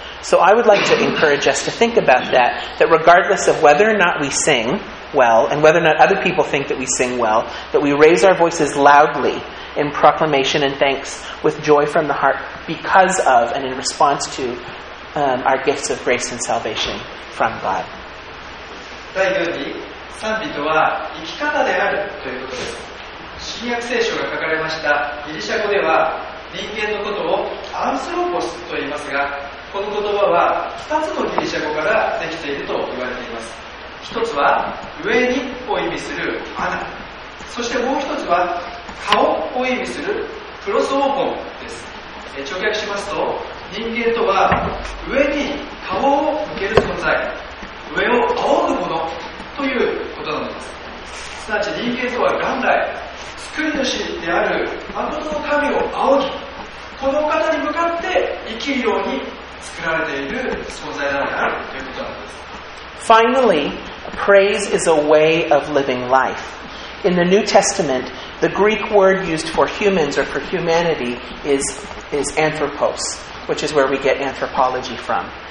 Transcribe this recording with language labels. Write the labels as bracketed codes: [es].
[en] So I would like to encourage us to think about that regardless of whether or not we sing well and whether or not other people think that we sing well, that we raise our voices loudly in proclamation and thanks with joy from the heart because of and in response to our gifts of grace and salvation from God. [ja] 第4に、賛美とは生き方であるということです。新約聖書が書かれましたギリシャ語では人間のことをアンスロポスと言いますが、この言葉は2つのギリシャ語からできていると言われています。 1つは上にを意味するアナ、そしてもう1つは顔を意味するプロスオーコンです。直訳しますと、人間とは上に顔を向ける存在、上を仰ぐものということなんです。すなわち人間とは元来救い主である真の神を仰ぎ、この方に向かって生きるように作られている存在なのであるということなんです。 [en] Finally, praise is a way of living life. In the New Testament,The Greek word used for humans or for humanity is anthropos, which is where we get anthropology from.